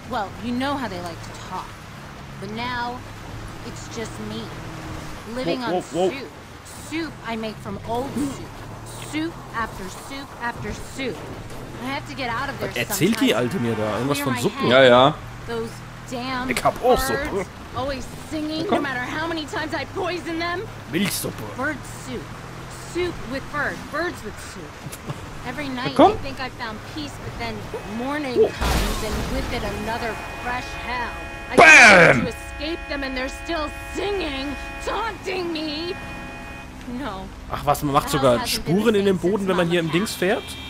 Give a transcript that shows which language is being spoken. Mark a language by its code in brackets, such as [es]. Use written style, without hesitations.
[en] Well, you know how they like to talk. But now it's just me. Living on soup. Soup I make from old soup. Soup after soup after soup. I have to get out of there. [de] Erzählt die Alte mir da irgendwas von Suppen? Ja, ja. [en] Those damn [de] ich hab auch Suppe. [en] Always singing no matter how many times I poison them. [de] Milchsuppe. [en] Bird soup. Soup with bird. Birds with soup. Every night [de] komm. [en] I think I found peace, but then morning comes and with it another fresh hell. I BAM! To escape them and they're still singing, taunting me. No. [de] Ach was, man macht sogar Spuren in dem Boden, wenn man hier im Dings fährt?